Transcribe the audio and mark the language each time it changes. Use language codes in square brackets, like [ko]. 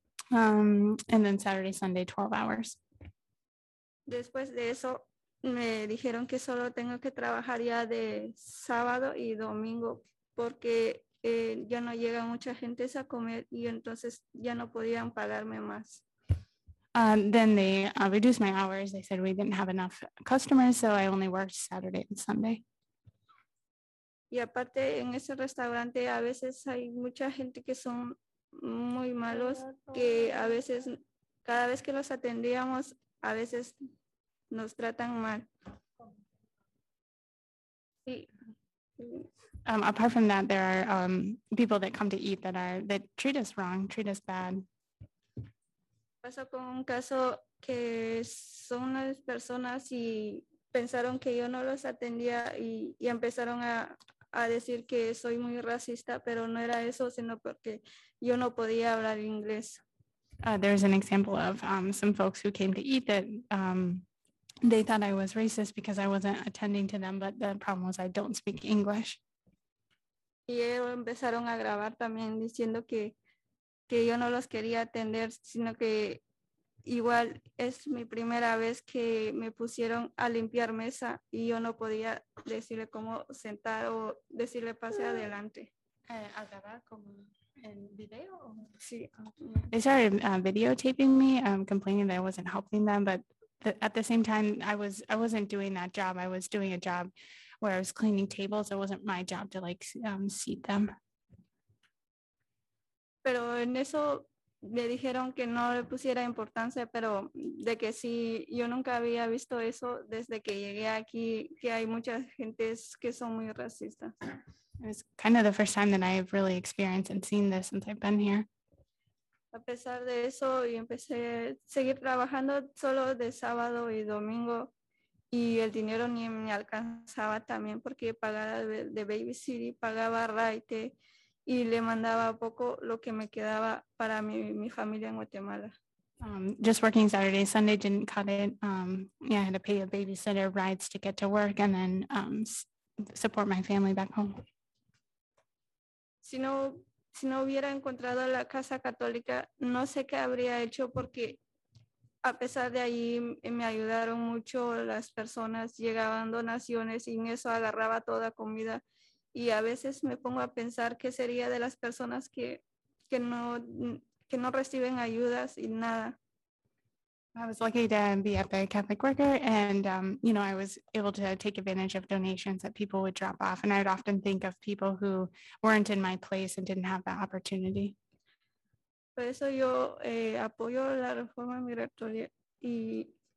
[en] And then Saturday, Sunday, 12 hours. [es] Después de eso, me dijeron que solo tengo que trabajar ya de sábado y domingo porque ya no llega mucha gente a comer y entonces ya no podían pagarme más. [en] Then they reduced my hours. They said we didn't have enough customers, so I only worked Saturday and Sunday. [es] Y aparte en ese restaurante a veces hay mucha gente que son muy malos que a veces cada vez que los atendíamos a veces nos tratan mal. Sí. [en] Apart from that, there are people that come to eat that treat us wrong, treat us bad. [es] Pasó con un caso que son unas personas y pensaron que yo no los atendía y empezaron a decir que soy muy racista, pero no era eso, sino porque yo no podía hablar inglés. [en] There's an example of some folks who came to eat that they thought I was racist because I wasn't attending to them, but the problem was I don't speak English. [es] Y ellos empezaron a grabar también diciendo que yo no los quería atender, sino que igual es mi primera vez que me pusieron a limpiar mesa y yo no podía decirle cómo sentar o decirle pase adelante. [en] They started videotaping me, complaining that I wasn't helping them, but at the same time, I wasn't doing that job. I was doing a job where I was cleaning tables. It wasn't my job to seat them. [es] Pero en eso me dijeron que no le pusiera importancia, pero de que sí, yo nunca había visto eso desde que llegué aquí, que hay muchas gentes que son muy racistas. [en] It was kind of the first time that I have really experienced and seen this since I've been here. [es] A pesar de eso, y empecé a seguir trabajando solo de sábado y domingo, y el dinero ni me alcanzaba también porque pagaba de babysitter, pagaba raite, y le mandaba poco lo que me quedaba para mi familia en Guatemala. [en] Just working Saturday, Sunday didn't cut it. I had to pay a babysitter, rides to get to work, and then support my family back home. [es] Si no hubiera encontrado la casa católica, no sé qué habría hecho porque a pesar de ahí me ayudaron mucho las personas, llegaban donaciones y en eso agarraba toda comida. Y a veces me pongo a pensar qué sería de las personas que no reciben ayudas y nada. [en] I was lucky to be at the Catholic Worker and, you know, I was able to take advantage of donations that people would drop off. And I would often think of people who weren't in my place and didn't have that opportunity. [es] Por eso yo apoyo la reforma migratoria y...